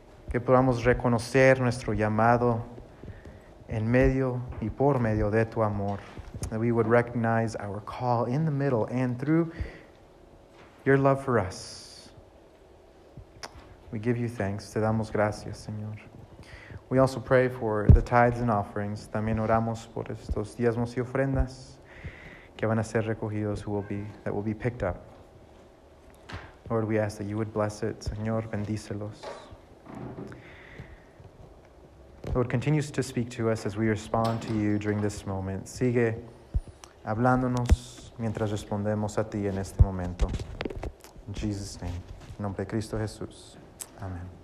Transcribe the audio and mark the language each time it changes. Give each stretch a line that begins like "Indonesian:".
Spanish: Que podamos reconocer nuestro llamado en medio y por medio de tu amor.
English: That we would recognize our call in the middle and through your love for us. We give you thanks.
Spanish: Te damos gracias, Señor.
English: We also pray for the tithes and offerings.
Spanish: También oramos por estos diezmos y ofrendas que van a ser recogidos,
English: that will be picked up. Lord, we ask that you would bless it.
Spanish: Señor, bendícelos.
English: Lord, continue to speak to us as we respond to you during this moment.
Spanish: Sigue hablándonos mientras respondemos a ti en este momento.
English: In Jesus' name,
Spanish: en nombre de Cristo Jesús. Amen.